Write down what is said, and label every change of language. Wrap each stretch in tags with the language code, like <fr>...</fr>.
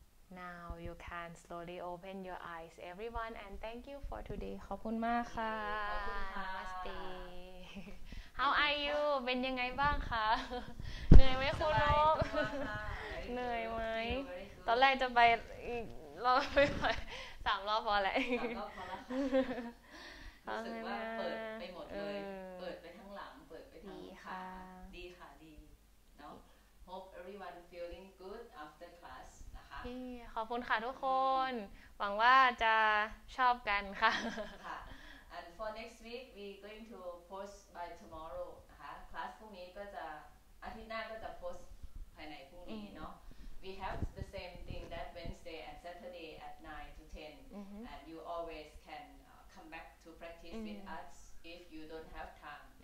<en>Now you can slowly open your eyes, everyone, and thank you for today.</en> <th>ขอบคุณมากค่ะ</th> <en>Namaste. How are you?</en> <th>เป็นยังไงบ้างคะเหนื่อยไหมคุณลูกเหนื่อยไหมตอนแรกจะไปอีกรอบไม่ไหวสามรอบพอแหละ สามรอบพอแล้วรู้สึกว่าเปิดไปหมดเลยเปิดไปทั้งหลังเปิดไปทั้ง ขา ดีค่ะดีเนาะ</th> <en>hope everyone feeling good after class นะคะ</en> <th>ขอบคุณค่ะทุกคนหวังว่าจะชอบกันค่ะ</th> <en>ค่ะ and for next week we going to post by tomorrow นะคะ class พรุ่งนี้</en> <th>ก็จะอาทิตย์หน้าก็จะ</th> <en>post</en> <th>ภายในพรุ่งนี้เนาะ</th> <en>We have the same thing that Wednesday and Saturday at 9 to 10 mm-hmm. and you always can come come back to practice mm-hmm. with us if you don't have time.</en>